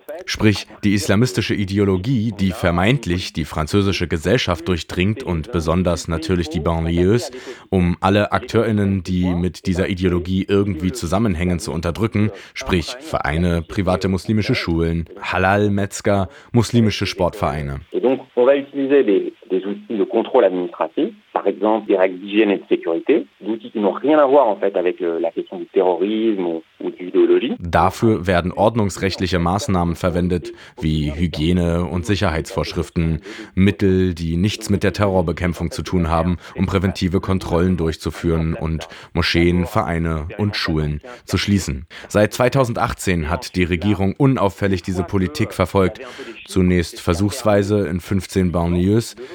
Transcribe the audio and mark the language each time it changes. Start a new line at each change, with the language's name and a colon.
German: Sprich, die islamistische Ideologie, die vermeintlich die französische Gesellschaft durchdringt und besonders natürlich die Banlieues, um alle AkteurInnen, die mit dieser Ideologie irgendwie zusammenhängen, zu unterdrücken, sprich Vereine, private muslimische Schulen, Halal-Metzger, muslimische Sportvereine.
French: Des outils de contrôle administratif, par exemple des règles d'hygiène et de sécurité, d'outils qui n'ont rien à voir en fait avec la question du terrorisme ou de l'idéologie.
German: Dafür werden ordnungsrechtliche Maßnahmen verwendet, wie Hygiene und Sicherheitsvorschriften, Mittel, die nichts mit der Terrorbekämpfung zu tun haben, um präventive Kontrollen durchzuführen und Moscheen, Vereine und Schulen zu schließen. Seit 2018 hat die Regierung unauffällig diese Politik verfolgt, zunächst versuchsweise in 15 Banlieues.